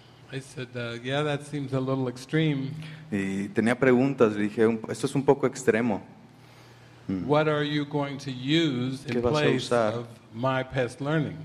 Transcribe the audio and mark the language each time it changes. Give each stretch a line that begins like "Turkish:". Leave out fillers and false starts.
English: I said, yeah, that seems a little extreme.
Spanish: Y tenía preguntas. Le dije, esto es un poco extremo.
English: What are you going to use in place of my past learning?